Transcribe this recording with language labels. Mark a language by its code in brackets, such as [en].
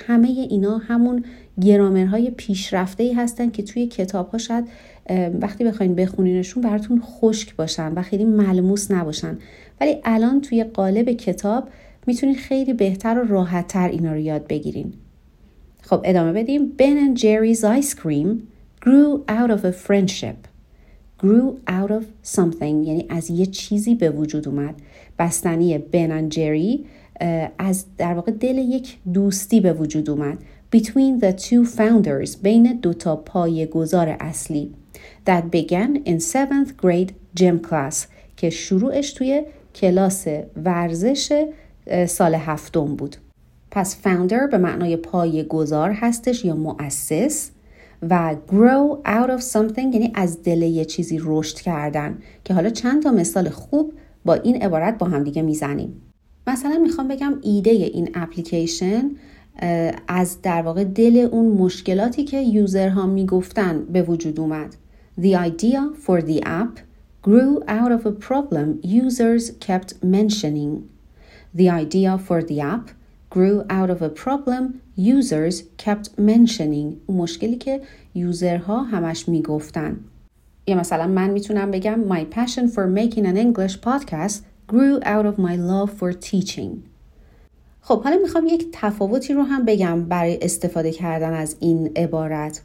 [fa] همه اینا همون گرامرهای پیشرفته‌ای هستن که توی کتاب‌ها شاید وقتی بخواید بخونینشون براتون خشک باشن و خیلی ملموس نباشن، ولی الان توی قالب کتاب میتونید خیلی بهتر و راحت‌تر اینا رو یاد بگیرین. خب ادامه بدیم. [en] Ben and Jerry's ice cream grew out of a friendship. Grew out of something [fa] یعنی از یه چیزی به وجود اومد. بستنی Ben and Jerry از در واقع دل یک دوستی به وجود اومد. [en] Between the two founders، [fa] بین دوتا پایه گذار اصلی. [en] That began in seventh grade gym class [fa] که شروعش توی کلاس ورزش سال هفتم بود. پس founder به معنای پایه گذار هستش یا مؤسس، و [en] grow out of something [fa] یعنی از دل یه چیزی رشد کردن، که حالا چند تا مثال خوب با این عبارت با هم دیگه میزنیم. مثلا میخوام بگم ایده این اپلیکیشن از در واقع دل اون مشکلاتی که یوزرها میگفتن به وجود اومد. [en] The idea for the app grew out of a problem users kept mentioning. The idea for the app grew out of a problem users kept mentioning. [fa] مشکلی که یوزرها همش میگفتن. یا مثلا من میتونم بگم [en] My passion for making an English podcast grew out of my love for teaching. [fa] خب حالا میخوام یک تفاوتی رو هم بگم برای استفاده کردن از این عبارت.